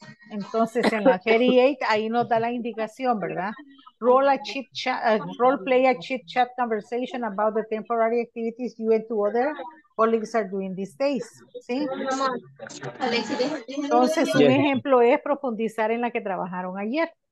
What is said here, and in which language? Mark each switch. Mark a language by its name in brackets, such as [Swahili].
[Spanish] Entonces en la 38 ahí nos da la indicación, ¿verdad? [English] Role play a chit chat conversation about the temporary activities you and two other colleagues are doing these days. [Spanish] ¿Sí? Entonces un ejemplo es profundizar en la que trabajaron ayer.